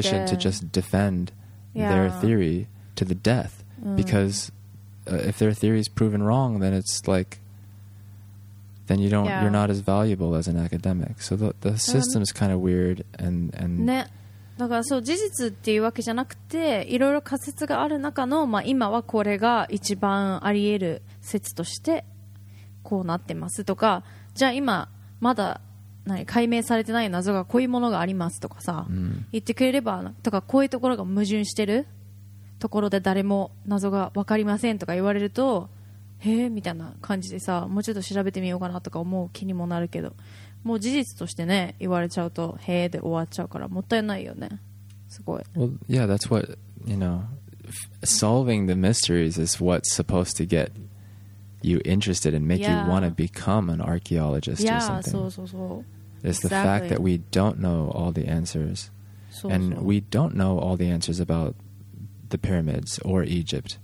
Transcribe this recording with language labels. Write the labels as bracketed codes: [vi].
[en] they're in a position to just defend their theory to the death. Because if their theory is proven wrong, then it's like, then you don't, you're not as valuable as an academic. So the system is kind of weird. [ja] ね、だからそう事実っていうわけじゃなくて、いろいろ仮説がある中の、まあ今はこれが一番あり得る。説としてこうなってますとか、じゃあ今まだ何解明されてない謎がこういうものがありますとかさ、言ってくれればとか、こういうところが矛盾してるところで誰も謎が分かりませんとか言われると、へーみたいな感じでさ、もうちょっと調べてみようかなとか思う気にもなるけど、もう事実としてね言われちゃうとへーで終わっちゃうからもったいないよね。 [en] Well, yeah, that's what, you know, solving the mysteries is what's supposed to get you interested and make you want to become an archaeologist or something. Yeah, so, so, so. It's the fact that we don't know all the answers. And we don't know all the answers about the pyramids or Egypt.